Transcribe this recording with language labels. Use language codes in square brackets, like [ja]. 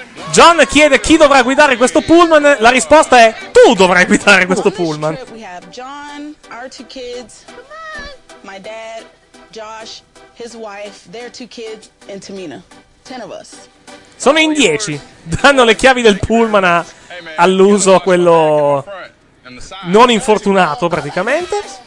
[it] John chiede chi dovrà guidare questo pullman. La risposta è: tu dovrai guidare questo pullman. [en] John, our two kids, my dad, Josh, his wife, their two kids, and Tamina. 10 of us. [it] Sono in 10. Danno le chiavi del pullman all'uso, a quello non infortunato, praticamente.